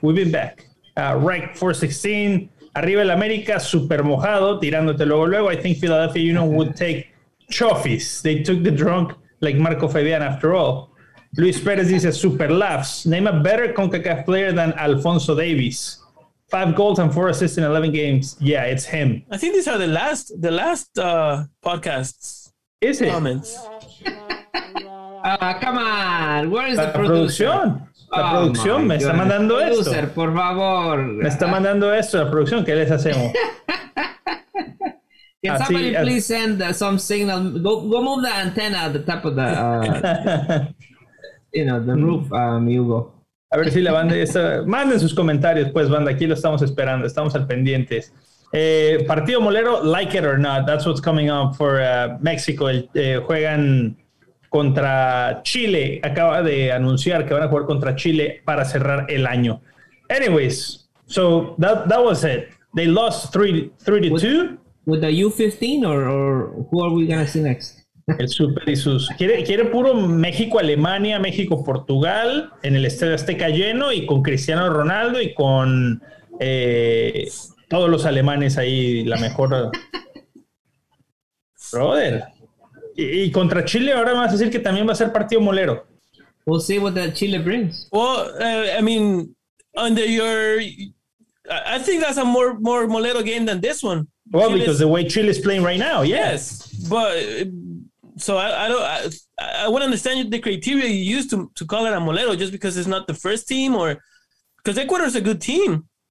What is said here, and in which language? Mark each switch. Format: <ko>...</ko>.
<es>Rec 416, Arriba el America, super mojado, tirándote luego, luego.</es> <en>I think Philadelphia, you know, would take trophies. They took the drunk like Marco Fabian after all. Luis Perez dice, super laughs. Name a better CONCACAF player than Alfonso Davies. 5 goals and 4 assists in 11 games. Yeah, it's him. I think these are the last podcasts. Is it? Comments. come on. Where is the</en> <es>producción? La producción me está mandando esto. Producer, por favor. Me está mandando esto, la producción. ¿Qué les hacemos?</es> <en>Can somebody please send some signal? Go move the antenna at the top of the... you know, the roof, Hugo.</en> <es>A ver si la banda... manden sus comentarios, pues, banda. Aquí lo estamos esperando. Estamos al pendientes. Partido Molero,</es> <en>like it or not. That's what's coming up for Mexico.</en> <es>Juegan contra Chile. Acaba de anunciar que van a jugar contra Chile para cerrar el año.</es> <en>Anyways, so that was it. They lost 3-2. With the U15 or who are we going to see next?</en> <es>El Super Jesús. Quiere puro México-Alemania, México-Portugal en el Estadio Azteca lleno y con Cristiano Ronaldo y con todos los alemanes ahí, la mejor. Brother. Y contra Chile ahora me vas a decir que también va a ser partido molero.</es> <en>We'll see what that Chile brings. I think that's a more molero game than this one. Well, Chile's, because the way Chile is playing right now, yes. But so I would understand the criteria you used to call it a Molero just because it's not the first team, or because Ecuador is a good team.</en>